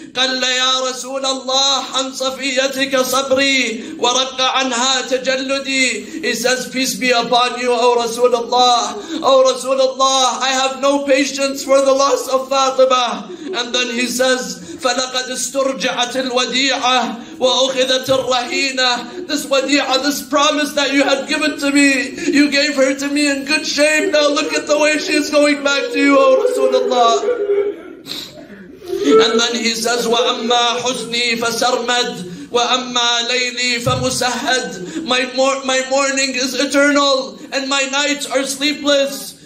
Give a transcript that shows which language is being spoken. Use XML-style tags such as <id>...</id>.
<ar>قال يا رسول الله عن صفيتك صبري ورق عنها تجلدي.</ar> <en>He says, peace be upon you, O Rasulullah. O Rasulullah, I have no patience for the loss of Fatima. And then he says,</en> <ar>فلقد استرجعت الوديعة وأخذت الرهينة.</ar> <en>This wadi'ah, this promise that you had given to me, you gave her to me in good shape. Now look at the way she is going back to you, O Rasulullah. And then he says,</en> <ar>وَأَمَّا حُزْنِي فَسَرْمَدْ وَأَمَّا لَيْلِي فَمُسَهَدْ</ar> <en>My morning is eternal and my nights are sleepless.</en>